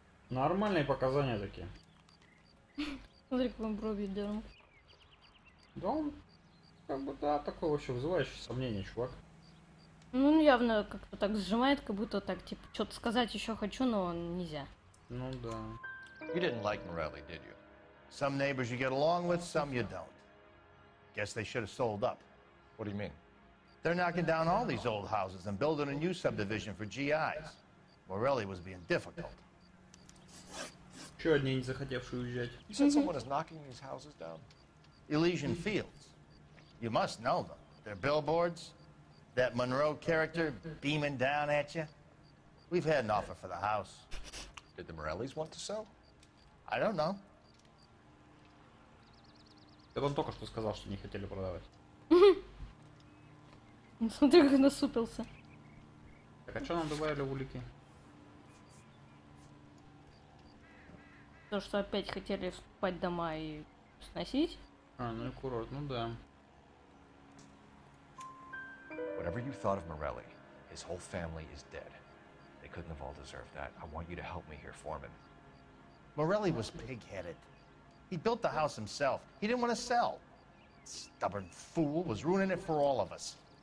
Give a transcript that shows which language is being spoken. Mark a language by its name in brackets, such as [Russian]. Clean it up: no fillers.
[Russian] Нормальные показания такие. Смотри, как он бровью дернул. Да он... Как бы, да, такой вообще вызывающий сомнение, чувак. Ну, он явно как-то так сжимает, как будто так, типа, что-то сказать еще хочу, но нельзя. Ну, да. [English] You didn't like Morelli, did you? Some neighbors you get along with, some you don't. Guess they should have sold up. What do you mean? They're knocking down all these old houses and building a new subdivision for GIs. Morelli was being difficult. [Russian] Еще одни не захотевшие уезжать. [English] You said someone is knocking these houses down? Elysian Fields. You must know them. They're billboards. That Monroe character beaming down at you. We've had an offer for the house. Did the Morellis want to sell? I don't know. [Russian] Это он только что сказал, что не хотели продавать. Ну смотри, как насупился. Так, а что нам добавили улики? То, что опять хотели вступать дома и сносить. А, ну и курорт, ну да. [English] Whatever you thought of Morelli, his whole family is dead. They couldn't have all deserved that. I want you to help me here, Foreman. Morelli was pig-headed. He built the house himself. He didn't want to sell. Stubborn fool was ruining it for all of us.